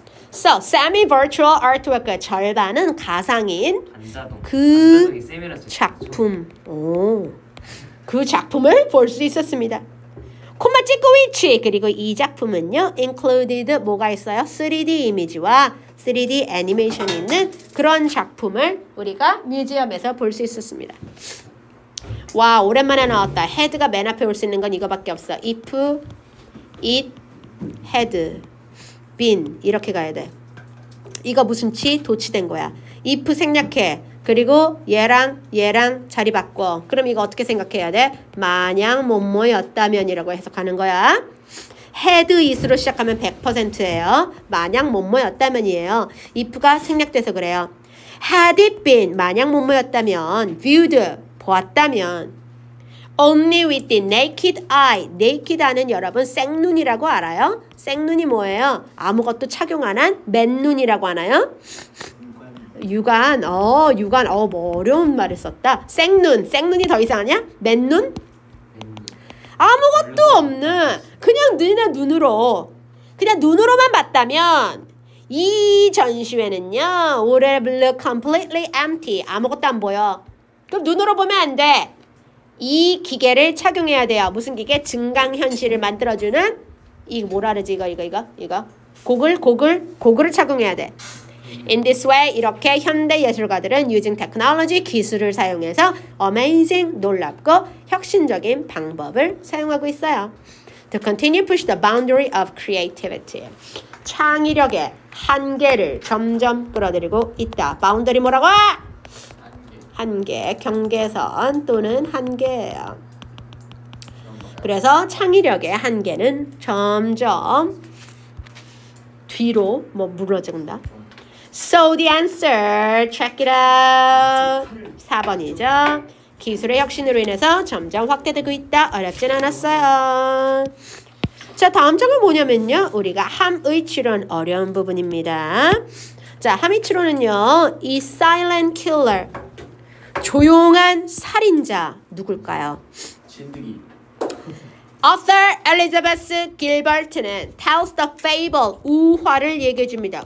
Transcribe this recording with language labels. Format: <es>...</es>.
<en>So, semi virtual artwork</en> <ko>절반은 가상인 반자동. 그 작품. 오. 그 작품을 볼 수 있었습니다. 콤마 찍고 위치. 그리고 이 작품은요. included 뭐가 있어요? 3D 이미지와 3D 애니메이션이 있는 그런 작품을 우리가 뮤지엄에서 볼 수 있었습니다. 와, 오랜만에 나왔다. 헤드가 맨 앞에 올 수 있는 건 이거밖에 없어.</ko> <en>If, it, had, been.</en> <ko>이렇게 가야 돼. 이거 무슨 치? 도치된 거야. If 생략해. 그리고 얘랑 얘랑 자리 바꿔. 그럼 이거 어떻게 생각해야 돼? 만약 뭐뭐였다면 이라고 해석하는 거야. had, is로 시작하면 100%예요. 만약 뭐뭐였다면이에요. If가 생략돼서 그래요.</ko> <en>had it been,</en> <ko>만약 뭐뭐였다면,</ko> <en>viewed,</en> <ko>보았다면</ko> <en>only with the naked eye.</en> <ko>naked 하는 여러분 생눈이라고 알아요? 생눈이 뭐예요? 아무것도 착용 안 한 맨눈이라고 하나요? 육안. 뭐 어려운 말을 썼다. 생눈. 생눈이 더 이상하냐? 맨눈? 아무것도 없는 그냥 눈의 눈으로 그냥 눈으로만 봤다면 이 전시회는요</ko> <en>would look completely empty.</en> <ko>아무것도 안 보여. 그럼 눈으로 보면 안 돼. 이 기계를 착용해야 돼요. 무슨 기계? 증강현실을 만들어주는 이 뭐라 그러지? 이거. 고글을 착용해야 돼.</ko> <en>In this way,</en> <ko>이렇게 현대 예술가들은</ko> <en>using technology,</en> <ko>기술을 사용해서 amazing, 놀랍고 혁신적인 방법을 사용하고 있어요.</ko> <en>To continue push the boundary of creativity.</en> <ko>창의력의 한계를 점점 끌어들이고 있다. Boundary 뭐라고? 한계, 경계선 또는 한계예요. 그래서 창의력의 한계는 점점 뒤로 뭐 무너진다.</ko> <en>So the answer, check it out.</en> <ko>4번이죠. 기술의 혁신으로 인해서 점점 확대되고 있다. 어렵진 않았어요. 자, 다음 장은 뭐냐면요. 우리가 함의 출원 어려운 부분입니다. 자, 함의 출원은요. 이 silent killer. 조용한 살인자 누굴까요? 진드기.</ko> <en>Author Elizabeth Gilbert는 tells the fable</en> <ko>우화를 얘기해 줍니다.</ko>